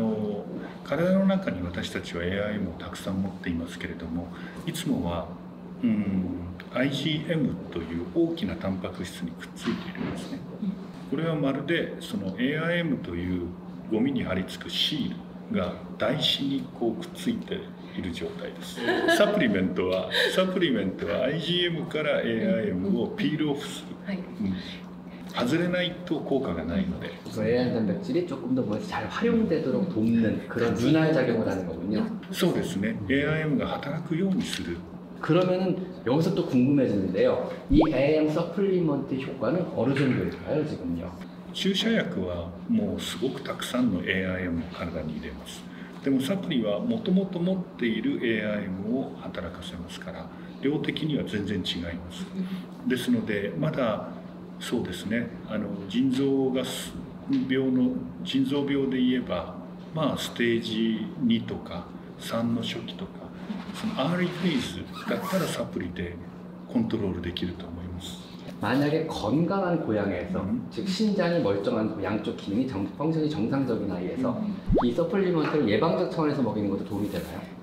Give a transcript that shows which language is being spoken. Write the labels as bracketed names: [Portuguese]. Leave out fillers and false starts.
[Japanese] そうではなく、体の中に私たちは AIM을 たくさん 持っていますけれども、いつもは IgM という大きなタンパク質にくっついているんですね。これはまるでその AIM というゴミに貼り付くシールが台紙にこうくっついている状態です。サプリメントは IgM から AIM をピールオフする。外れないと効果がないので。 [Korean] AIM 단백질이 조금 더 뭐지 잘 활용되도록 돕는 그런 윤활 작용을 하는 거군요. [Japanese] そうですね。AIM가 働くようにする。 [Korean] 그러면은 여기서 또 궁금해지는데요. 이 AIM 서플리먼트 효과는 어느 정도일까요, 지금요? [Japanese] 注射薬はもうすごくたくさんの AIM を体に入れます。でもサプリはもともと持っている AIM を働かせますから量的には全然違います。ですのでまだそうですね、腎臓病でいえばまあステージ2とか3の初期とかその [English] early phase [Japanese] だったらサプリでコントロールできると思います。 [Korean] 만약에 건강한 고양이에서 즉 신장이 멀쩡한 양쪽 기능이 펑션이 정상적인 아이에서 이 서플리먼트를 예방적 차원에서 먹이는 것도 도움이 되나요?